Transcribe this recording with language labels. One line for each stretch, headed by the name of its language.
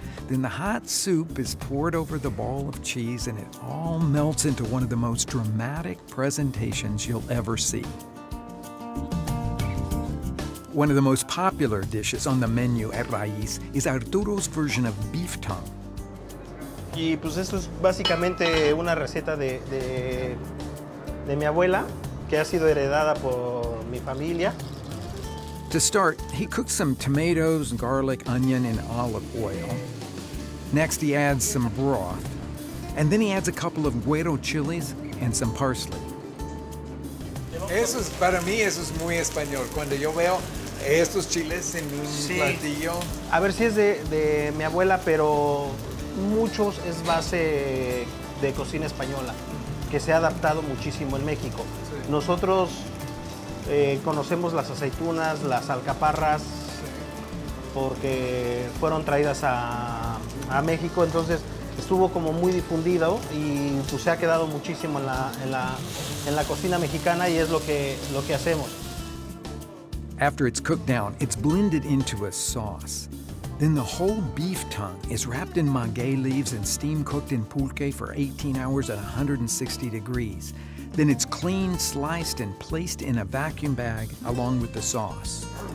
English: Then the hot soup is poured over the ball of cheese, and it all melts into one of the most dramatic presentations you'll ever see. One of the most popular dishes on the menu at Raiz is Arturo's version of beef tongue.
Spanish: Y pues esto es básicamente una receta de mi abuela que ha sido heredada por mi familia.
English: To start, he cooks some tomatoes, garlic, onion, and olive oil. Next, he adds some broth, and then he adds a couple of güero chilies and some parsley.
Spanish: Eso es para mí, eso es muy español. Cuando yo veo estos chiles en un platillo. A ver si es de mi abuela, pero muchos es base de cocina española, que se ha adaptado muchísimo en México. Sí. Nosotros conocemos las aceitunas, las alcaparras, porque fueron traídas a México, entonces estuvo como muy difundido y pues, se ha quedado muchísimo en la cocina mexicana y es lo que hacemos.
English: After it's cooked down, it's blended into a sauce. Then the whole beef tongue is wrapped in maguey leaves and steam cooked in pulque for 18 hours at 160 degrees. Then it's cleaned, sliced, and placed in a vacuum bag along with the sauce.